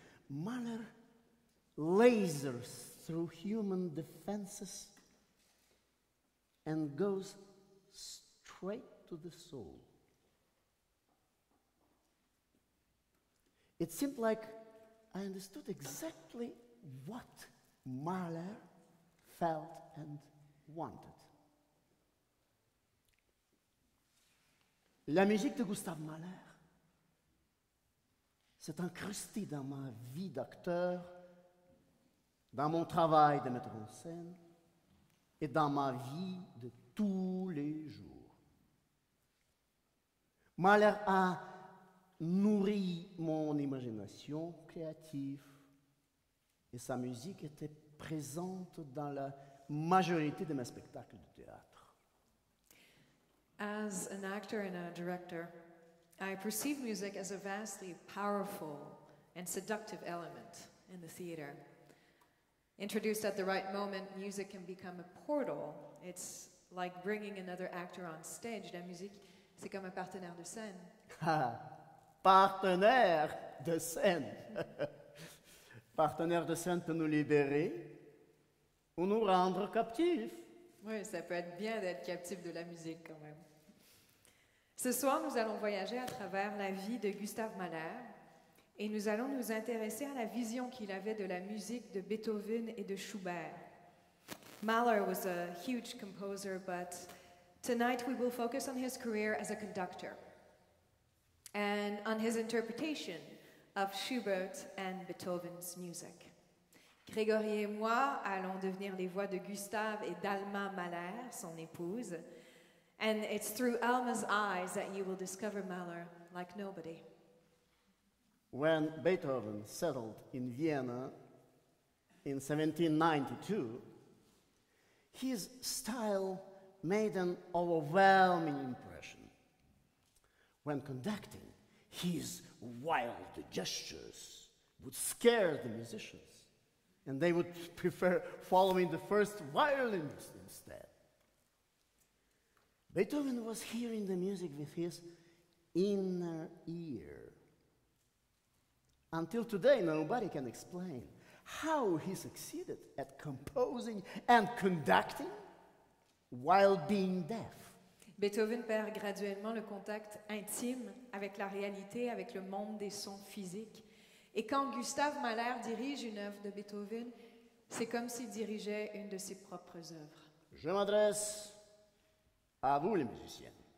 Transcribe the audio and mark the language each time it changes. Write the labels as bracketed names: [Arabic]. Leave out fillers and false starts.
[English] Mahler lasers through human defenses and goes straight to the soul. It seemed like I understood exactly what Mahler felt and wanted. [French] La musique de Gustav Mahler s'est incrusté dans ma vie d'acteur, dans mon travail de metteur en scène et dans ma vie de tous les jours. Mahler a nourri mon imagination créative et sa musique était présente dans la majorité de mes spectacles de théâtre. [English] As an actor and a director, I perceive music as a vastly powerful and seductive element in the theater. Introduced at the right moment, music can become a portal. It's like bringing another actor on stage. [French] La musique, c'est comme un partenaire de scène. Partenaire de scène. Partenaire de scène peut nous libérer ou nous rendre captifs. Oui, ça peut être bien d'être captif de la musique quand même. Ce soir, nous allons voyager à travers la vie de Gustav Mahler et nous allons nous intéresser à la vision qu'il avait de la musique de Beethoven et de Schubert. [English] Mahler was a huge composer, but tonight we will focus on his career as a conductor and on his interpretation of Schubert and Beethoven's music. [French] Grégory et moi allons devenir les voix de Gustav et d'Alma Mahler, son épouse. [English] And it's through Alma's eyes that you will discover Mahler like nobody. When Beethoven settled in Vienna in 1792, his style made an overwhelming impression. When conducting, his wild gestures would scare the musicians, and they would prefer following the first violins instead. Beethoven was hearing the music with his inner ear. Until today, nobody can explain how he succeeded at composing and conducting while being deaf. [French] Beethoven perd graduellement le contact intime avec la réalité, avec le monde des sons physiques. Et quand Gustav Mahler dirige une œuvre de Beethoven, c'est comme s'il dirigeait une de ses propres œuvres. Je m'adresse à vous, les musiciens.